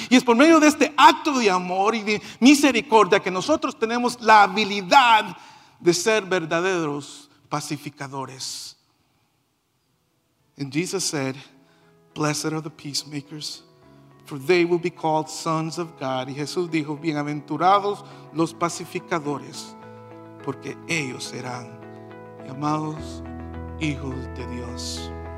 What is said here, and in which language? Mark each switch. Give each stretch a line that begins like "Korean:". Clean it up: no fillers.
Spanish: Y es por medio de este acto de amor y de misericordia que nosotros tenemos la habilidad de ser verdaderos pacificadores.
English: And Jesus said, blessed are the peacemakers, for they will be called sons of God.
Spanish: Y Jesús dijo, bienaventurados los pacificadores, porque ellos serán llamados hijos de Dios.